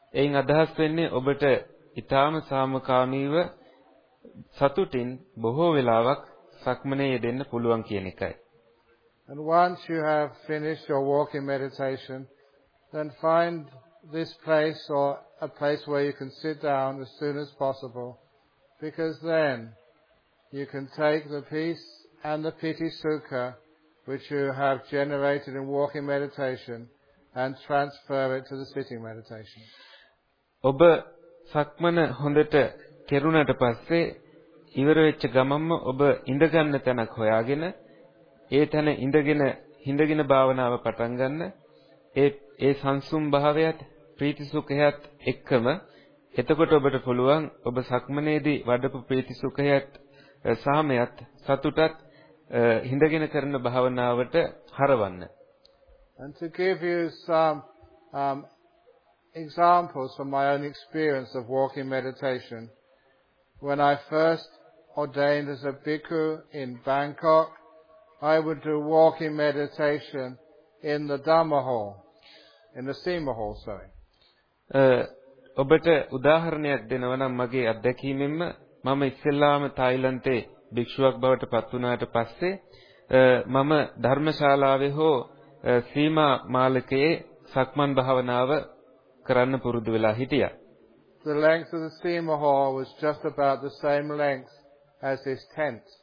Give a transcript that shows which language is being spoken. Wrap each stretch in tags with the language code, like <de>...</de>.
<si>එයින් අදහස් වෙන්නේ ඔබට ඊටාම සාමකාමීව සතුටින් බොහෝ වෙලාවක් සක්මනේ යෙදෙන්න පුළුවන් කියන එකයි.</si> <en>And once you have finished your walking meditation, then find this place or a place where you can sit down as soon as possible. Because then you can take the peace and the piti sukha which you have generated in walking meditation and transfer it to the sitting meditation.</en> <si>ඔබ සක්මන හොඳට කෙරුණට පස්සේ ඉවර වෙච්ච ගමම්ම ඔබ ඉඳගන්න තැනක් හොයාගෙන ඒ තැන ඉඳගෙන හිඳගෙන භාවනාව පටන් ගන්න ඒ සංසුම් භාවයත් ප්‍රීති සුඛයත් එක්කම එතකොට ඔබට පුළුවන් ඔබ සක්මනේදී වඩපු ප්‍රීති සුඛයත් සාමයත් සතුටත් හිඳගෙන කරන භාවනාවට හරවන්න.</si> <en>And to give you some examples from my own experience of walking meditation, when I first ordained as a bhikkhu in Bangkok, I would do walking meditation in the Dhamma hall, in the Sima hall, sorry.</en> <si>ඔබට උදාහරණයක් දෙනවා නම් මගේ අත්දැකීමෙන්ම මම ඉස්සෙල්ලාම තායිලන්තේ භික්ෂුවක් බවට පත් වුණාට පස්සේ මම ධර්මශාලාවේ හෝ සීමා මාලකයේ සක්මන් භාවනාව කරන්න පුරුදු වෙලා හිටියා.</si> <en>The length of the Sima hall was just about the same length as this tent.</en>